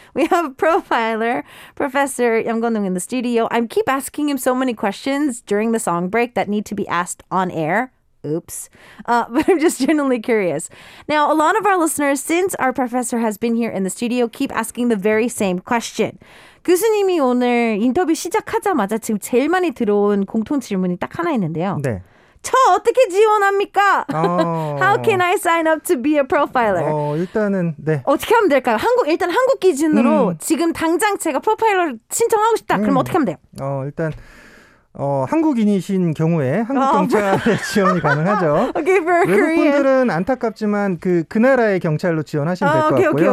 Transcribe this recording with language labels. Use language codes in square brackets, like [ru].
[en] We have a profiler, Professor Yang Gwon-dong in the studio. I keep asking him so many questions during the song break that need to be asked on air. Oops. But I'm just genuinely curious. Now, a lot of our listeners, since our professor has been here in the studio, keep asking the very same question. [ko] 교수님이 오늘 인터뷰 시작하자마자 지금 제일 많이 들어온 공통 질문이 딱 하나 있는데요. 네. 저 어떻게 지원합니까? [en] How can I sign up to be a profiler? [ko] 일단은 네. 어떻게 하면 될까요? 일단 한국 기준으로 지금 당장 제가 프로파일러 신청하고 싶다. 그럼 어떻게 하면 돼요? 한국인이신 경우에 한국 경찰에 지원이 가능하죠. [en] Okay, for Korean. [ko] 외국 분들은 안타깝지만 그 나라의 경찰로 지원하시면 될 것 같고요.